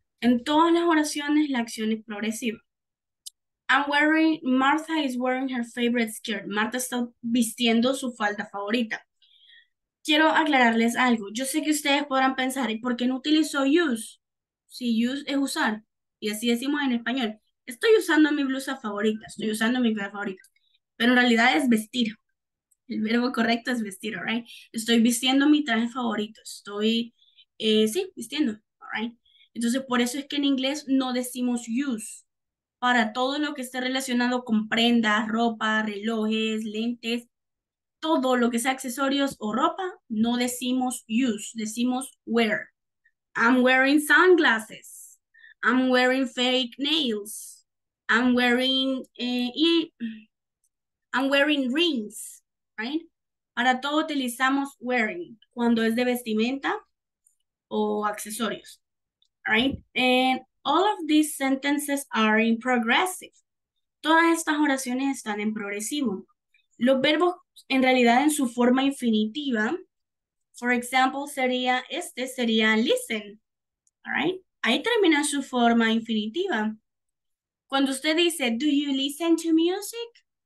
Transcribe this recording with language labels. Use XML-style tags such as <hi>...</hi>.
<es>En todas las oraciones, la acción es progresiva.</es> <en>I'm wearing, Martha is wearing her favorite skirt.</en> <es>Martha está vistiendo su falda favorita. Quiero aclararles algo. Yo sé que ustedes podrán pensar, ¿por qué no utilizo use? Si use es usar, y así decimos en español. Estoy usando mi blusa favorita, estoy usando mi blusa favorita. Pero en realidad es vestir. El verbo correcto es vestir,</es> <en>all right?</en> <es>Estoy vistiendo mi traje favorito. Estoy, sí, vistiendo,</es> <en>all right?</en> <es>Entonces, por eso es que en inglés no decimos use. Para todo lo que esté relacionado con prendas, ropa, relojes, lentes, todo lo que sea accesorios o ropa, no decimos use, decimos wear.</es> <en>I'm wearing sunglasses. I'm wearing fake nails. I'm wearing rings, right?</en> <es>Para todo utilizamos wearing cuando es de vestimenta o accesorios, right?</es> <en>And all of these sentences are in progressive.</en> <es>Todas estas oraciones están en progresivo. Los verbos, en realidad, en su forma infinitiva,</es> <en>for example,</en> <es>sería, este sería listen,</es> <en>all right?</en> <es>Ahí termina su forma infinitiva. Cuando usted dice,</es> <en>do you listen to music?</en>